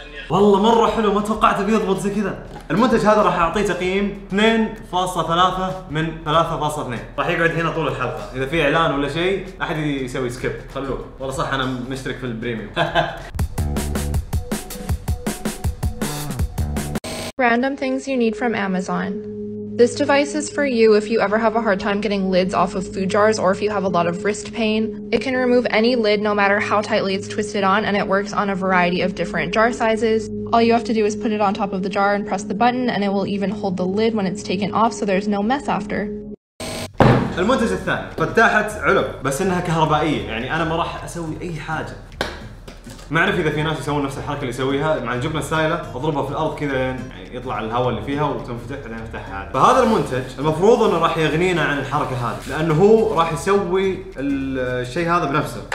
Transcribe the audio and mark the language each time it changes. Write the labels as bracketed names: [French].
[Arabic] والله مره حلو، ما توقعت بيضبط زي كذا. المنتج هذا راح اعطيه تقييم 2.3 من 3.2. راح يقعد هنا طول الحلقه، اذا في اعلان ولا شيء احد يسوي سكيب خلوه. والله صح انا مشترك في البريميوم. [English] Random things you need from Amazon. This device is for you if you ever have a hard time getting lids off of food jars or if you have a lot of wrist pain. It can remove any lid no matter how tightly it's twisted on, and it works on a variety of different jar sizes. All you have to do is put it on top of the jar and press the button, and it will even hold the lid when it's taken off so there's no mess after. [Arabic] المنتج الثاني فتاحت علب بس انها كهربائية، يعني انا ما راح اسوي اي حاجة. ما اعرف اذا في ناس يسوون نفس الحركه اللي يسويها مع الجبنه السائله، اضربها في الارض كذا يعني يطلع الهواء اللي فيها وتنفتح بعدين افتحها عادي. فهذا المنتج المفروض انه راح يغنينا عن الحركه هذه، لانه هو راح يسوي الشيء هذا بنفسه.